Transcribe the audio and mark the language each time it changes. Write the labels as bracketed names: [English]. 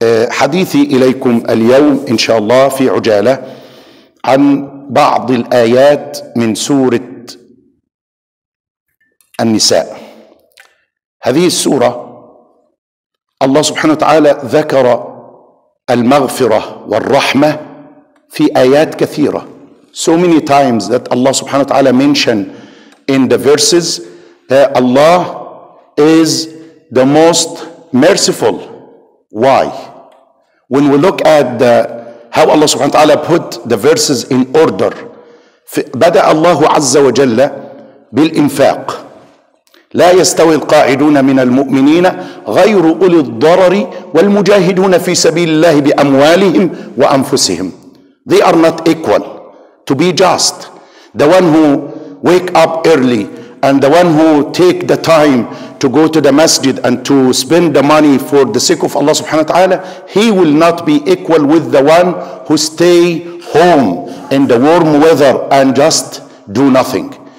[Arabic] حديثي إليكم اليوم إن شاء الله في عجالة عن بعض الآيات من سورة النساء. هذه السورة الله سبحانه وتعالى ذكر المغفرة والرحمة في آيات كثيرة. [English] So many times that Allah سبحانه وتعالى mentioned in the verses, Allah is the most merciful. Why? When we look at how Allah subhanahu wa ta'ala put the verses in order, [Arabic] بدأ الله عز وجل بالإنفاق. لا يستوي القاعدون من المؤمنين غير أولي الضرر والمجاهدون في سبيل الله بأموالهم وأنفسهم. [English] They are not equal. To be just, the one who wake up early and the one who take the time to go to the masjid and to spend the money for the sake of Allah subhanahu wa ta'ala, he will not be equal with the one who stay home in the warm weather and just do nothing.